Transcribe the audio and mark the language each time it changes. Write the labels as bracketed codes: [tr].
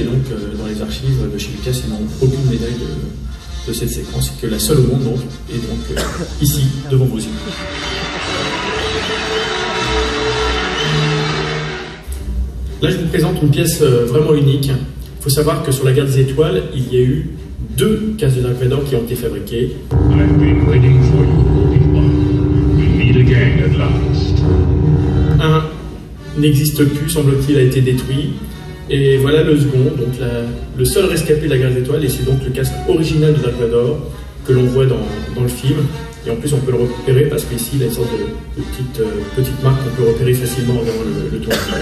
[fr] Et donc, dans les archives de chez Lucas, ils n'ont aucune médaille de cette séquence, que la seule au monde, donc, et donc ici, devant vos yeux. Là, je vous présente une pièce vraiment unique. Il faut savoir que sur la guerre des étoiles, il y a eu deux cases de Dark Vador qui ont été fabriquées. [en] I've been waiting for you, Obi-Wan. We meet again at last. [fr] Un n'existe plus, semble-t-il, a été détruit. Et voilà le second, donc le seul rescapé de la guerre des étoiles, et c'est donc le casque original de Dark Vador que l'on voit dans le film. Et en plus, on peut le repérer parce qu'ici, il y a une sorte de petite marque qu'on peut repérer facilement dans le toit.